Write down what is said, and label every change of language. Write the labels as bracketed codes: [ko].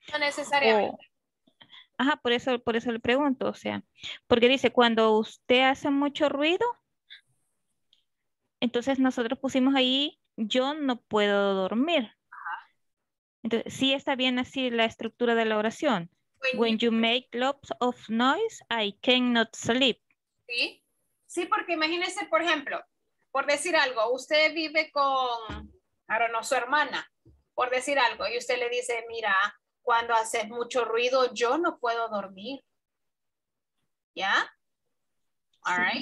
[es] No necesariamente. Ajá, por eso le pregunto. O sea, porque dice, cuando usted hace mucho ruido, entonces nosotros pusimos ahí, yo no puedo dormir. Entonces, sí está bien así la estructura de la oración. [en] When you make lots of noise, I cannot sleep. [es] Sí, sí, porque imagínese, por ejemplo, por decir algo, usted vive con, claro, no, su hermana, por decir algo, y usted le dice, mira, cuando haces mucho ruido, yo no puedo dormir. [en] ¿Ya? All right.